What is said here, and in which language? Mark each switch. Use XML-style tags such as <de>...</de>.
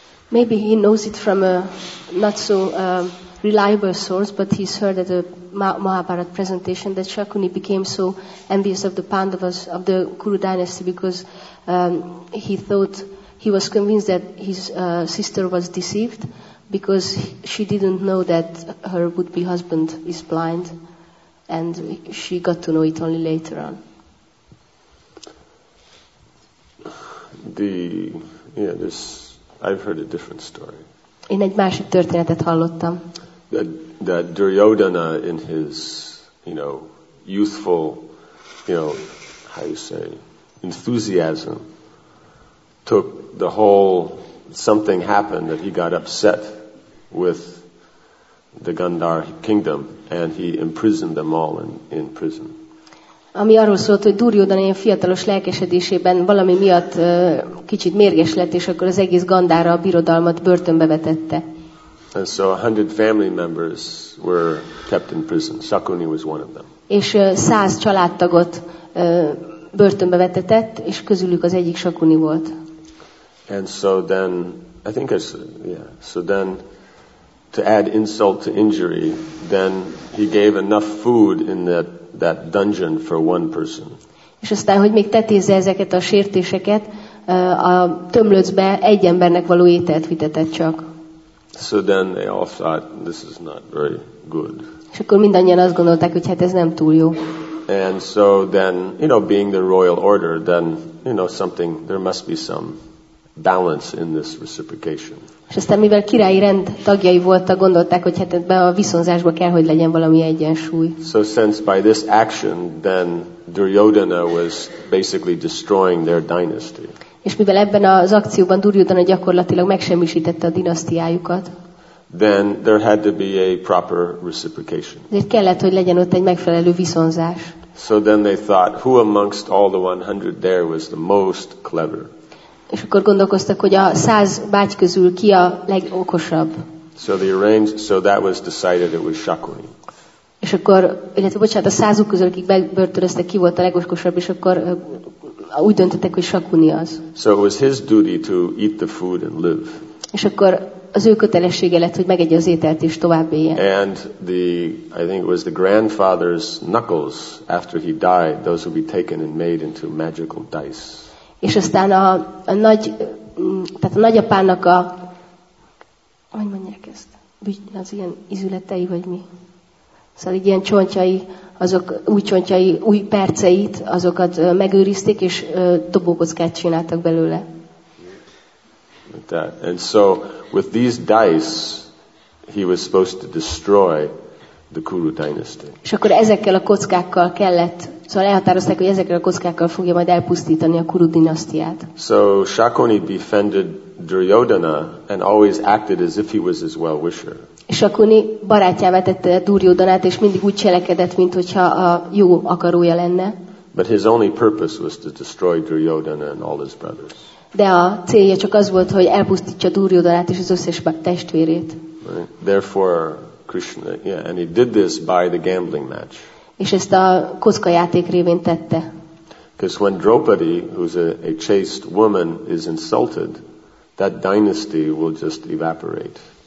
<en>Maybe he knows it from a not so reliable source, but he's heard at a Mahabharata presentation that Shakuni became so envious of the Pandavas, of the Kuru dynasty, because he thought, he was convinced that his sister was deceived because she didn't know that her would-be husband is blind, and she got to know it only later on. this I've heard a different story.</en> <hu>Én egy másik történetet hallottam.</hu> <en>That Duryodhana in his, you know, youthful, you know, how you say, enthusiasm, took the whole, something happened that he got upset with the Gandhar kingdom, and he imprisoned them all in prison.</en> <hu>Ami arról szólt, hogy Duryodhana ilyen fiatalos lelkesedésében valami miatt kicsit mérges lett, és akkor az egész Gandhara birodalmat börtönbe vetette.</hu> <en>And so 100 family members were kept in prison. Shakuni was one of them.</en> <hu>És 100 családtagot börtönbe vetetett, és közülük az egyik Shakuni volt.</hu> <en>And so then, I think it's, yeah, so then to add insult to injury, then he gave enough food in that dungeon for one person.</en> <hu>És aztán, hogy még tetézze ezeket a sértéseket, a tömlöcbe egy embernek való ételt vitetett csak.</hu> <en>So then they all thought this is not very good.</en> <hu>És akkor mindannyian azt gondolták, hogy hát ez nem túl jó.</hu> <en>And so then, you know, being the royal order, then, you know, something, there must be some balance in this reciprocation.</en> <hu>És aztán, mivel királyi rend tagjai voltak, gondolták, hogy hát ebben a viszonzásban kell, hogy legyen valami egyensúly.</hu> <en>So since by this action, then Duryodhana was basically destroying their dynasty.</en> <hu>És mivel ebben az akcióban Duryodhana gyakorlatilag megsemmisítette a dinasztiájukat,</hu> <en>then there had to be a proper reciprocation.</en> <hu>Ezért kellett, hogy legyen ott egy megfelelő viszonzás.</hu> <en>So then they thought, who amongst all the 100 there was the most clever?</en> <hu>És akkor gondolkoztak, hogy a 100 báty közül ki a legokosabb.</hu> <en>So they arranged, so that was decided it was Shakuni.</en> <hu>És akkor, illetve bocsánat, a 100 közül, akik bebörtönöztek, ki volt a legokosabb, és akkor úgy döntöttek, hogy Shakuni az.</hu> <en>So it was his duty to eat the food and live.</en> <hu>És akkor az ő kötelessége lett, hogy megegye az ételt és tovább éljen.</hu> <en>And the, I think it was the grandfather's knuckles, after he died, those would be taken and made into magical dice.</en> <hu>És aztán a nagy, tehát a nagyapának a, hogy mondják ezt, az ilyen izületei, vagy mi? Szóval így ilyen csontjai, azok új csontjai, új perceit, azokat megőrizték, és dobókockát csináltak belőle.</hu> <en>And so, with these dice, he was supposed to destroy the Kuru dynasty.</en> <hu>És akkor ezekkel a kockákkal kellett, szóval elhatározták, hogy ezekkel a kockákkal fogja majd elpusztítani a Kuru dinasztiát.</hu> <en>So Shakuni befriended Duryodhana and always acted as if he was his well-wisher.</en> <hu>Shakuni barátjává tette Duryodhanát, és mindig úgy cselekedett, mint hogyha a jó akarója lenne.</hu> <en>But his only purpose was to destroy Duryodhana and all his brothers.</en> <hu>De a célja csak az volt, hogy elpusztítsa Duryodhanát és az összes testvérét.</hu> <en>Right. Therefore Krishna, yeah, and he did this by the gambling match.</en> <hu>És ezt a kockajáték révén tette.</hu> <en>Because when Draupadi, who's a chaste woman, is insulted, that dynasty will just evaporate.</en>